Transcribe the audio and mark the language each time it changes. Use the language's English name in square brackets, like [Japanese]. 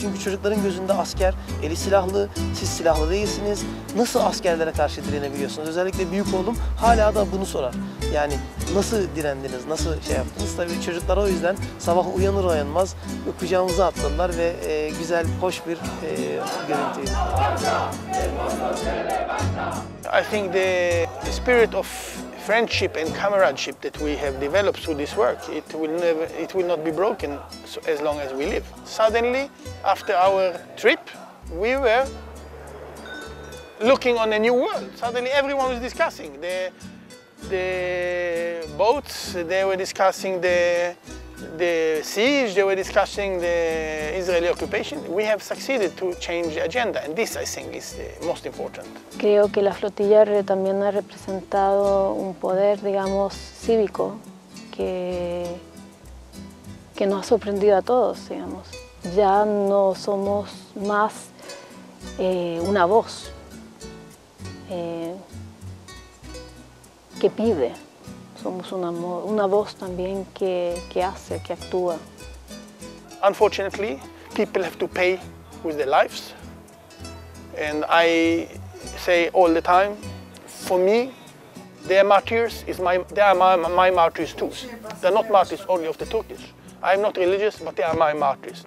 [Turkish] Çünkü çocukların gözünde asker eli silahlı, siz silahlı değilsiniz. Nasıl askerlere karşı direnebiliyorsunuz? Özellikle büyük oğlum hala da bunu sorar. Yani nasıl direndiniz, nasıl şey yaptınız? Tabii çocuklar o yüzden sabah uyanır uyanmaz kucağımıza attılar ve güzel, hoş bir görüntüydü. [English] I think the spirit of friendship and comradeship that we have developed through this work, it will not be broken as long as we live. Suddenly, after our trip, we were looking on a new world. Suddenly, everyone was discussing the boats. They were discussing the siege. They were discussing the Israeli occupation. We have succeeded to change the agenda, and this, I think, is the most important. [Spanish] Creo que la flotilla también ha representado un poder, digamos, cívico que nos ha sorprendido a todos, digamos. Ya no somos más una voz que pide. Somos una voz también que hace, que actúa. [English] Unfortunately, people have to pay with their lives. And I say all the time, for me, they are my martyrs too. They're not martyrs only of the Turkish. I'm not religious, but they are my martyrs.